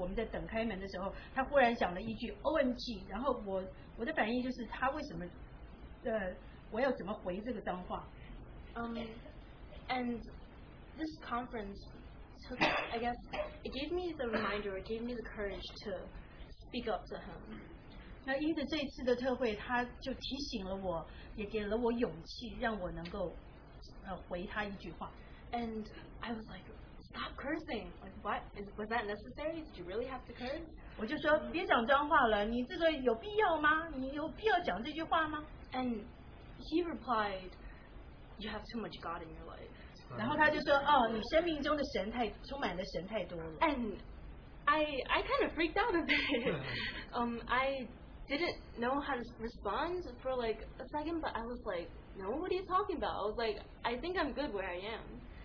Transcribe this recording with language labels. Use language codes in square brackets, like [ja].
[zh] 所以他这次来的时候，他又开始讲了，就是我们在等开门的时候，他忽然讲了一句 OMG， 然后我的反应就是他为什么，我要怎么回这个脏话？ [en] And this conference took, I guess, it gave me the reminder, it gave me the courage to speak up to him. [zh] 那因着这次的特会，他就提醒了我，也给了我勇气，让我能够回他一句话。 [en] And I was like, stop cursing. Like, what? Was that necessary? Did you really have to curse? [zh] 我就说，别讲脏话了，你这个有必要吗？你有必要讲这句话吗？ [en] And he replied, you have too much God in your life. [zh] 然后他就说，哦，你生命中的神太充满了神太多了。 [en] And I kind of freaked out a bit. I didn't know how to respond for like a second, but I was like, no, what are you talking about? I was like, I think I'm good where I am.